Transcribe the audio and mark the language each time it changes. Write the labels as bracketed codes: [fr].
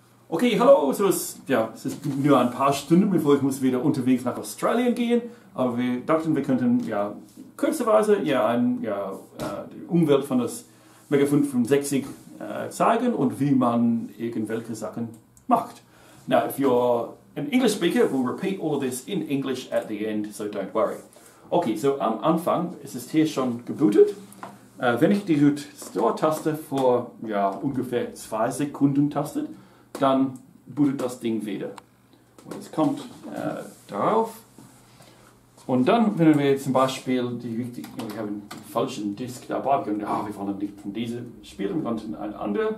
[de] Okay, hallo, so ist, ja, es ist nur ein paar Stunden, bevor ich muss wieder unterwegs nach Australien gehen. Aber wir dachten, wir könnten ja kürzerweise ja, ein, ja, die Umwelt von das MEGA65 zeigen und wie man irgendwelche Sachen macht. [en] Now, if you're an English speaker, we'll repeat all of this in English at the end, so don't worry. [de] Okay, so am Anfang ist es hier schon gebootet. Wenn ich die Store-Taste vor ja, ungefähr 2 Sekunden tastet, dann bootet das Ding wieder. Und es kommt darauf. Und dann, wenn wir zum Beispiel die richtige, wir haben den falschen Disk dabei, wir können, wir wollen nicht von diesem spielen, wir wollen einen anderen.